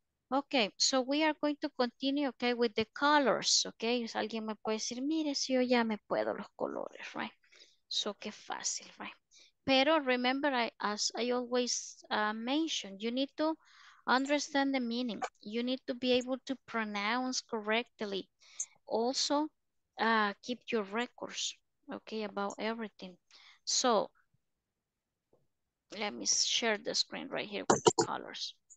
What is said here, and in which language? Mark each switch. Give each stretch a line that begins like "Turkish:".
English: Okay, so we are going to continue, okay, with the colors, okay?
Spanish: Alguien me puede decir, mire, si yo ya me puedo los colores, right? So qué fácil, right?
English: Pero remember, as I always mentioned, you need to understand the meaning. You need to be able to pronounce correctly. Also, keep your records, okay, about everything. So let me share the screen right here with the colors.